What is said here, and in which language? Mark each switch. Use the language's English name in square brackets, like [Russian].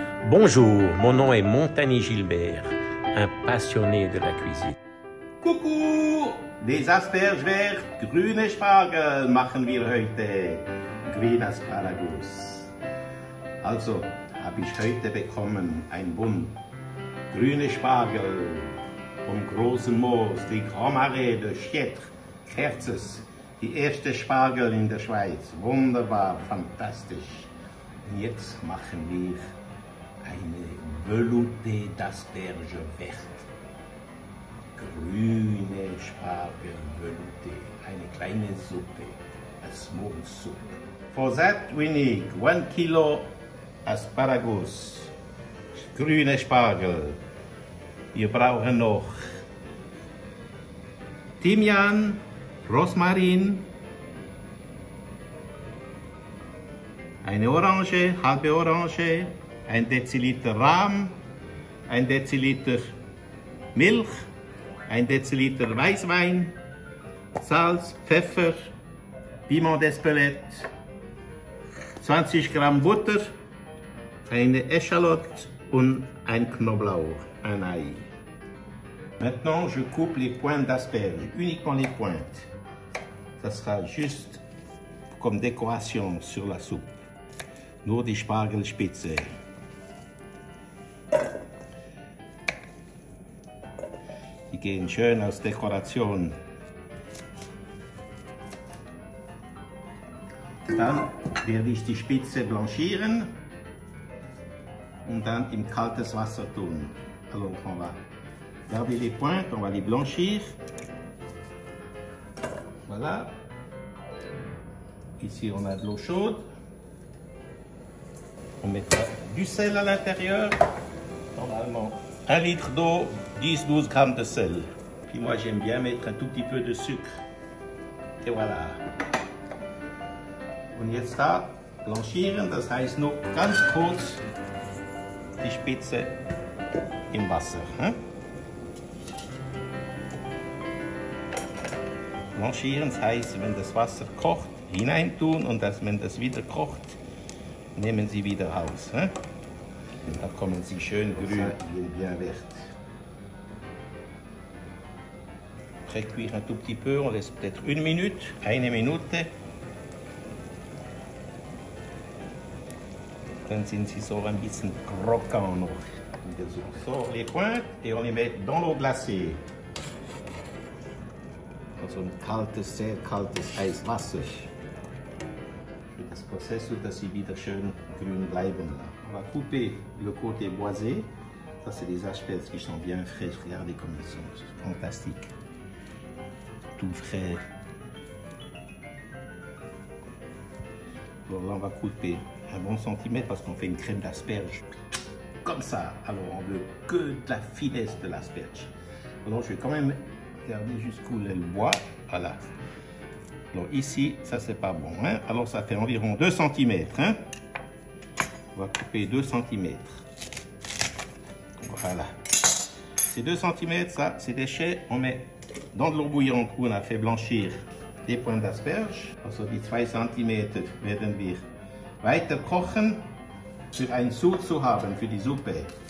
[French] Bonjour, mon nom est Montani Gilbert, un passionné de la cuisine. Coucou, des asperges vertes, [German] grüne Spargel machen wir heute. Grüne Asparagus. Also, habe ich heute bekommen ein Bund. Grüne Spargel vom großen Moos, die Grand-Marais de Chietre, Kerzes. Die erste Spargel in der Schweiz. Wunderbar, fantastisch. Und jetzt machen wir eine Velouté d'asperge verte. Grüne Spargel Velouté. Eine kleine Suppe. [English] A small soup. For that we need 1 kilo Asparagus. [German] Grüne Spargel. Wir brauchen noch Thymian, Rosmarin, eine Orange, halbe Orange, 1 Deziliter Rahm, 1 Deziliter Milch, 1 Deziliter Weißwein, Salz, Pfeffer, Piment d'Espelette, 20 Gramm Butter, eine Echalot und ein Knoblauch, ein Ei. [French] Maintenant, je coupe les pointes d'asperges, uniquement les pointes. Ça sera juste comme décoration sur la soupe. [German] Nur die Spargelspitze. Die gehen schön als Dekoration. Dann werde ich die Spitze blanchieren und dann in kaltes Wasser tun. [French] Alors, on va garder les pointes, on va les blanchir. Voilà. Ici, on a de l'eau chaude. On mettra du sel à l'intérieur. Normalement, 1 litre d'eau, 10-12 grammes de sel. Puis moi, j'aime bien mettre un tout petit peu de sucre. Et voilà. [German] Und jetzt da blanchieren, das heißt nur ganz kurz die Spitze im Wasser. Hein? Blanchieren, das heißt, wenn das Wasser kocht, hineintun und dass, wenn das wieder kocht, nehmen Sie wieder aus. Hein? Und da kommen Sie schön grün. [French] Bien vert. Précuire un tout petit peu, on laisse peut-être une minute, [German] eine Minute. Dann sind Sie so ein bisschen croquant noch. [French] So, les pointes et on les met dans l'eau glacée. [German] Also ein kaltes, sehr kaltes Eiswasser. Für das Prozess, dass sie wieder schön grün bleiben. [French] On va couper le côté boisé. Ça, c'est des asperges qui sont bien frais. Regardez comme elles sont. C'est fantastique. Tout frais. Alors là, on va couper un bon centimètre parce qu'on fait une crème d'asperge. Comme ça. Alors, on veut que de la finesse de l'asperge. Alors, je vais quand même regardez jusqu'où elle boit. Voilà. Alors ici, ça c'est pas bon. Hein? Alors ça fait environ 2 cm. Hein? On va couper 2 cm. Voilà. Ces 2 cm, ça, ces déchets, on met dans de l'eau bouillante où on a fait blanchir des pointes d'asperge. [German] Also die 2 cm werden wir weiter kochen, für einen Sud zu haben, für die Suppe.